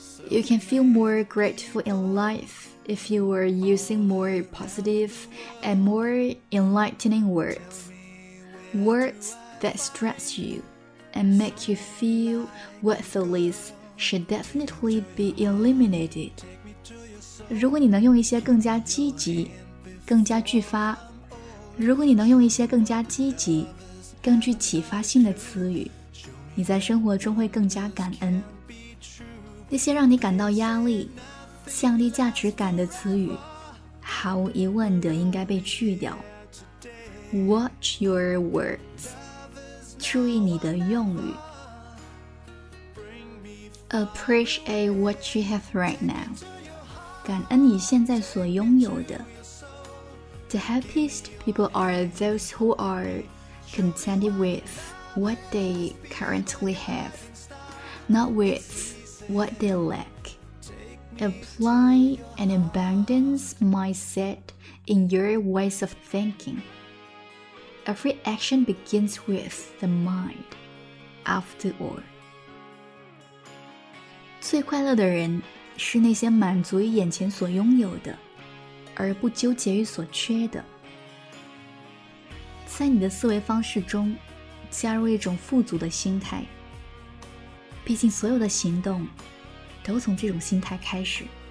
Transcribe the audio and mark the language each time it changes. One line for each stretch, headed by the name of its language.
English: You can feel more grateful in life if you are using more positive and more enlightening words. Words that stress you and make you feel worthless should definitely be eliminated.
Chinese: 如果你能用一些更加积极、更加具发，如果你能用一些更加积极更具启发性的词语，你在生活中会更加感恩。那些让你感到压力、降低价值感的词语，毫无疑问的应该被去掉。
English: Watch your words，
Chinese: 注意你的用语。
English: Appreciate what you have right now，
Chinese: 感恩你现在所拥有的。
English: The happiest people are those who are contented with what they currently have, not with what they lack. Apply an abundance mindset in your ways of thinking. Every action begins with the mind, after all.
Chinese: 最快乐的人是那些满足于眼前所拥有的，而不纠结于所缺的。在你的思维方式中加入一种富足的心态，毕竟所有的行动都从这种心态开始。